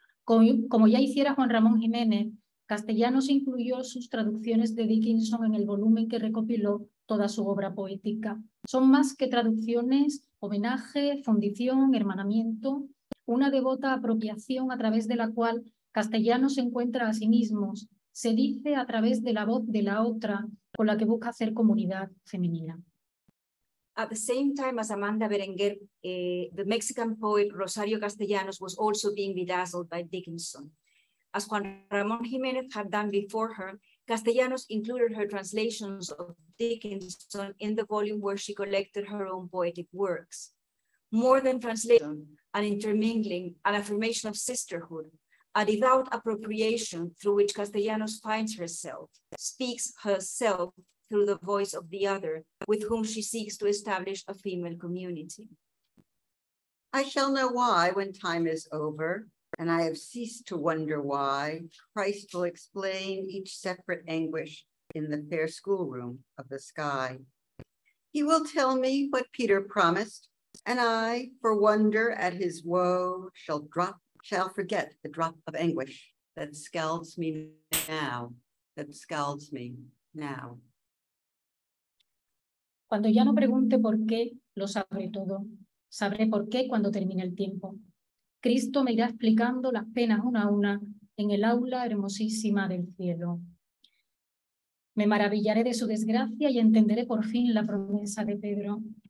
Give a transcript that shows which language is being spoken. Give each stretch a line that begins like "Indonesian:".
Spanish: Como ya hiciera Juan Ramón Jiménez, Castellanos incluyó sus traducciones de Dickinson en el volumen que recopiló toda su obra poética. Son más que traducciones, homenaje, fundición, hermanamiento, una devota apropiación a través de la cual Castellanos se encuentra a sí mismos, se dice a través de la voz de la otra con la que busca hacer comunidad femenina.
English: At the same time as Amanda Berenguer, the Mexican poet Rosario Castellanos was also being bedazzled by Dickinson. As Juan Ramón Jiménez had done before her, Castellanos included her translations of Dickinson in the volume where she collected her own poetic works. More than translation, an intermingling, an affirmation of sisterhood, a devout appropriation through which Castellanos finds herself, speaks herself through the voice of the other, with whom she seeks to establish a female community. I shall know why when time is over, and I have ceased to wonder why. Christ will explain each separate anguish in the fair schoolroom of the sky. He will tell me what Peter promised, and I, for wonder at his woe, shall forget the drop of anguish that scalds me now, that scalds me now.
Spanish: Cuando ya no pregunte por qué, lo sabré todo. Sabré por qué cuando termine el tiempo. Cristo me irá explicando las penas una a una en el aula hermosísima del cielo. Me maravillaré de su desgracia y entenderé por fin la promesa de Pedro.